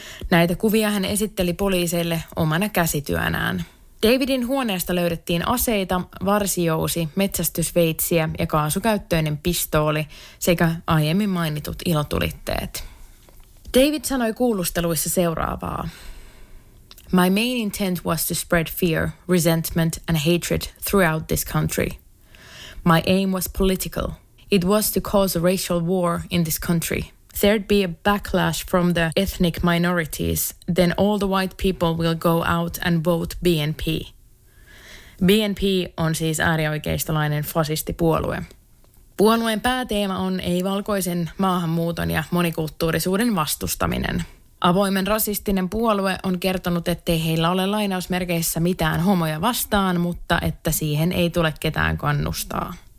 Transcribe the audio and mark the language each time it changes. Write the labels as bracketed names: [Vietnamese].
[Finnish] Näitä kuvia hän esitteli poliiseille omana käsityönään. Davidin huoneesta löydettiin aseita, varsijousi, metsästysveitsiä ja kaasukäyttöinen pistooli sekä aiemmin mainitut ilotulitteet. David sanoi kuulusteluissa seuraavaa. [English] My main intent was to spread fear, resentment and hatred throughout this country. My aim was political. it was to cause a racial war in this country. There'd be a backlash from the ethnic minorities, then all the white people will go out and vote BNP. [Finnish] BNP on siis äärioikeistolainen fasistipuolue. Puolueen pääteema on ei-valkoisen maahanmuuton ja monikulttuurisuuden vastustaminen. Avoimen rasistinen puolue on kertonut, ettei heillä ole lainausmerkeissä mitään homoja vastaan, mutta että siihen ei tule ketään kannustaa.